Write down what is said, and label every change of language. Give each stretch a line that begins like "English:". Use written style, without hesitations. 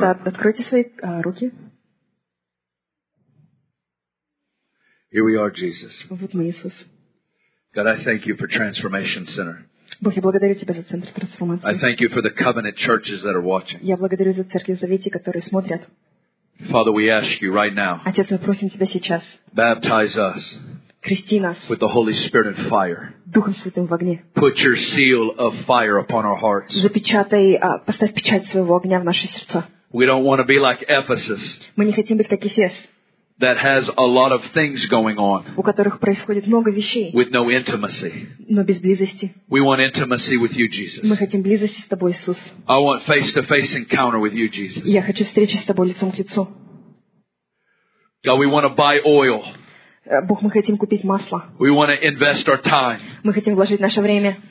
Russian: Просто откройте свои руки.
English: Here we are, Jesus.
Russian: Вот мы, Иисус.
English: God, I thank you for Transformation Center.
Russian: Бог, я благодарю тебя за центр трансформации.
English: I thank you for the covenant churches that are watching.
Russian: Я благодарю за церкви Завета, которые смотрят.
English: Father, we ask you right now.
Russian: Отец, мы просим тебя сейчас.
English: Baptize us.
Russian: Крести нас.
English: With the Holy Spirit and fire.
Russian: Духом Святым в огне.
English: Put your seal of fire upon our hearts.
Russian: Запечатай, поставь печать своего огня в наши сердца.
English: We don't want to be like Ephesus.
Russian: Мы не хотим быть как Эфес.
English: That has a lot of things going on.
Russian: У которых происходит много вещей.
English: With no intimacy.
Russian: Но без близости.
English: We want intimacy with you, Jesus.
Russian: Мы хотим близости с тобой, Иисус.
English: I want face-to-face encounter with you, Jesus.
Russian: Я хочу встречи с тобой лицом к лицу.
English: God, we want to buy oil.
Russian: Бог, мы хотим купить масло.
English: We want to invest our time.
Russian: Мы хотим вложить наше время.